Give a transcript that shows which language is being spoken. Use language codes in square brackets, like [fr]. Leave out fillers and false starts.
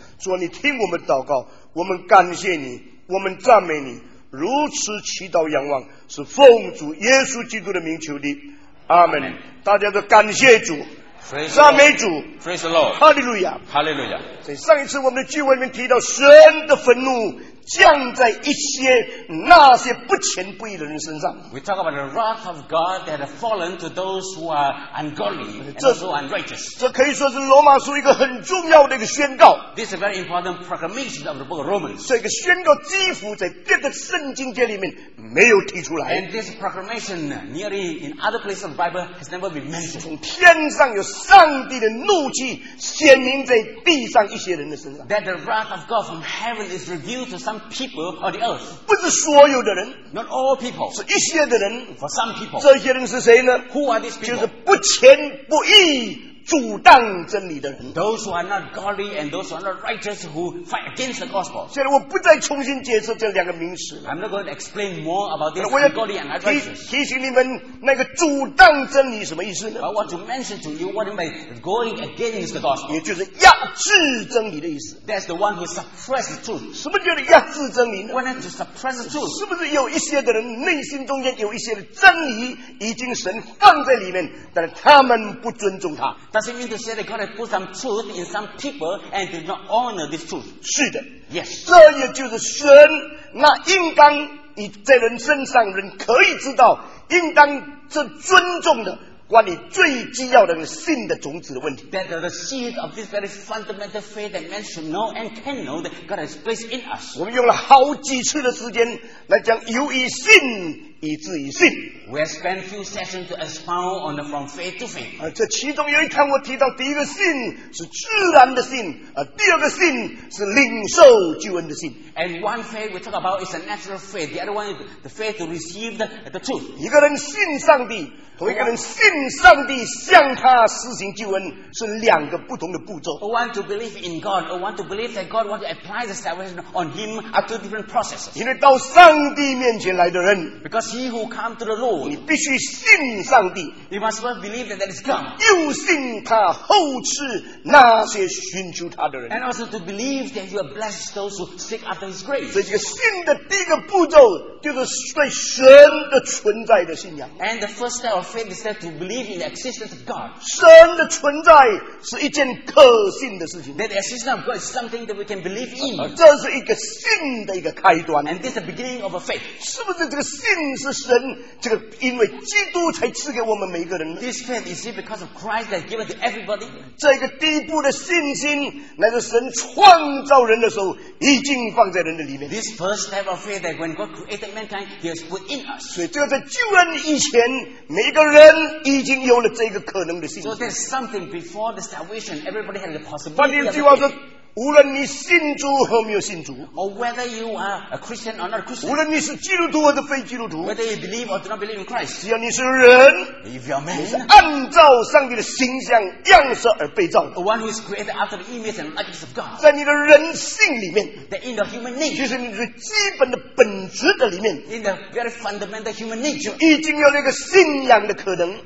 [zh] 说你听我们祷告我们感谢你我们赞美你如此祈祷仰望是奉主耶稣基督的名求的阿们大家都感谢主赞美主 [en] Praise the Lord Hallelujah Hallelujah [zh] 在上一次我们的聚会里面提到神的愤怒降在一些那些不虔不义的人身上。 [en] We talk about the wrath of God that has fallen to those who are ungodly and also unrighteous. [zh] 这可以说是罗马书一个很重要的一个宣告。 [en] This is a very important proclamation of the book of Romans. [zh] 这个宣告几乎在别的圣经界里面没有提出来。 [en] And this proclamation nearly in other places of the Bible has never been mentioned. [zh] 从天上有上帝的怒气显明在地上一些人的身上。 [en] That the wrath of God from heaven is revealed to some people or the earth. [zh] 不是所有的人。 [en] Not all people. [zh] 是一些的人。 [en] For some people. [zh] 这些人是谁呢？ [en] Who are these people? [zh] 就是不虔不义阻挡真理的人。 [en] Those who are not godly and those who are not righteous who fight against the gospel. [zh] 现在我不再重新解释这两个名词。 [en] I'm not going to explain more about this ungodly and unrighteous. [zh] 提醒你们那个阻挡真理什么意思呢？ [en] I want to mention to you what it means going against the gospel. [zh] 也就是压制真理的意思。 [en] That's the one who suppresses the truth. [zh] 什么叫做压制真理呢？ [en] What is to suppress the truth? [zh] 是不是有一些的人内心中间有一些的真理已经神放在里面，但是他们不尊重他？ [en] Does it mean to say that God has put some truth in some people and did not honor this truth? [zh] 是的。 [en] Yes. [zh] 这也就是神那应当在人身上人可以知道应当是尊重的关于最基要的信的种子的问题。 [en] That the seed of this very fundamental faith that man should know and can know that God has placed in us. [zh] 我们用了好几次的时间来讲由于信以至于信。 [en] We have spent few sessions to expound on the from faith to faith. [zh] 这其中有一堂我提到第一个信是自然的信，第二个信是领受救恩的信。 [en] And one faith we talk about is a natural faith. The other one is the faith to receive the truth. [zh] 一个人信上帝和一个人信上帝向他施行救恩是两个不同的步骤。 [en] I want to believe in God. I want to believe that God wants to apply the salvation on him are two different processes. [zh] 因为到上帝面前来的人 [en] Because he who comes to the Lord [zh] 你必须信上帝 [en] You must first believe that that is God. [zh] 又信他后赐那些寻求他的人 [en] And also to believe that you are blessed those who seek after his grace. [zh] 所以这个信的第一个步骤就是对神的存在的信仰。 [en] And the first step of faith is that to believe in the existence of God. [zh] 神的存在是一件可信的事情。 [en] That the existence of God is something that we can believe in. [zh] 这是一个信的一个开端。 [en] And this is the beginning of a faith. [zh] 是不是这个信是神这个因为基督才赐给我们每一个人？ [en] This faith is it because of Christ that given to everybody? [zh] 这个第一步的信心乃是神创造人的时候已经放在人的里面。 [en] This first step of faith that when God created mankind, he has put in us. [zh] 所以这个在救恩以前，每一个人已经有了这个可能的信心。 [en] So there's something before the salvation, everybody had the possibility. [zh] 换句话说，无论你信主和没有信主 [en] ，or whether you are a Christian or not a Christian， [zh] 无论你是基督徒或者非基督徒 [en] ，whether you believe or do not believe in Christ， [zh] 只要你是人 [en] ，if you are man， [zh] 你是按照上帝的形象样式而被造的 [en] ，the one who is created after the image and likeness of God， [zh] 在你的人性里面 [en] ，the in the human nature， [zh] 就是你的基本的本质的里面 [en] ，in the very fundamental human nature， [zh] 已经有那个信仰的可能